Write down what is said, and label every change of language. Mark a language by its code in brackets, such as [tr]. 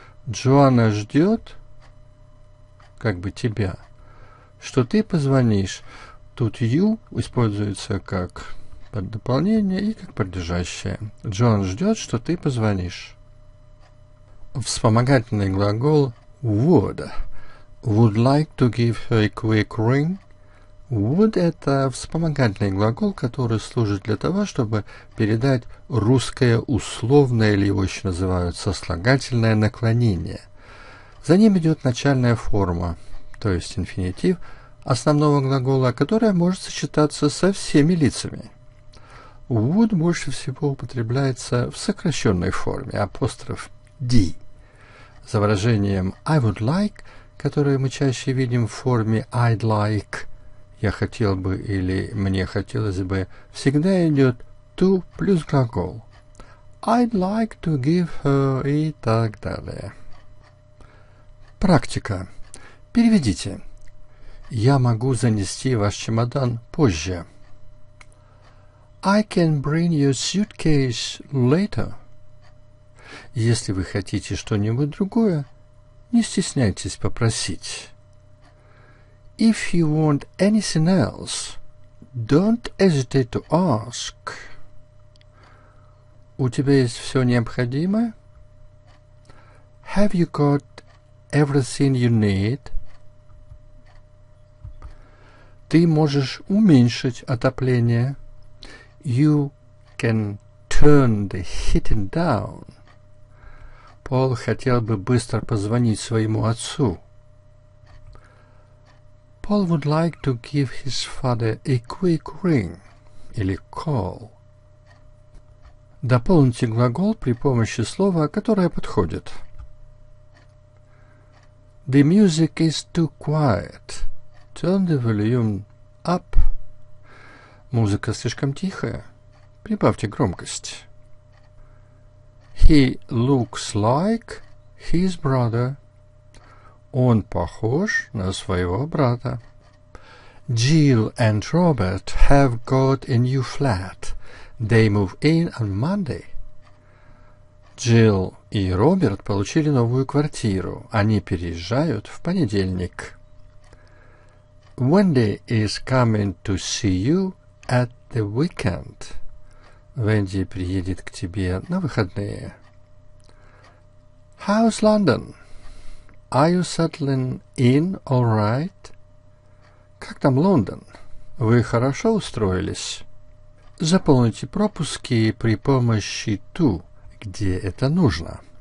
[ru] Джоанна ждет, как бы тебя, что ты позвонишь. Тут you используется как под дополнение и как подлежащее. Джон ждет, что ты позвонишь. Вспомогательный глагол would. [en] Would like to give her a quick ring. [ru] Would – это вспомогательный глагол, который служит для того, чтобы передать русское условное, или его еще называют сослагательное наклонение. За ним идет начальная форма, то есть инфинитив основного глагола, которое может сочетаться со всеми лицами. Would больше всего употребляется в сокращенной форме, апостроф D. За выражением [en] I would like, [ru] которое мы чаще видим в форме [en] I'd like, [ru] я хотел бы или мне хотелось бы, всегда идет to плюс глагол. [en] I'd like to give her [ru] и так далее. Практика. Переведите. Я могу занести ваш чемодан позже. [en] I can bring your suitcase later. [ru] Если вы хотите что-нибудь другое, не стесняйтесь попросить. [en] If you want anything else, don't hesitate to ask. [ru] У тебя есть все необходимое? [en] Have you got everything you need? [ru] Ты можешь уменьшить отопление. [en] You can turn the heating down. [ru] Пол хотел бы быстро позвонить своему отцу. [en] Paul would like to give his father a quick ring [ru] или [en] call. [ru] Дополните глагол при помощи слова, которое подходит. [en] The music is too quiet. Turn the volume [ru] up. Музыка слишком тихая. Прибавьте громкость. [en] He looks like his brother. [ru] Он похож на своего брата. [en] Jill and Robert have got a new flat. They move in on Monday. [ru] Jill и Роберт получили новую квартиру. Они переезжают в понедельник. [en] Wendy is coming to see you at the weekend. [ru] Венди приедет к тебе на выходные. [en] How's London? Are you settling in all right? [ru] Как там Лондон? Вы хорошо устроились? Заполните пропуски при помощи to, где это нужно.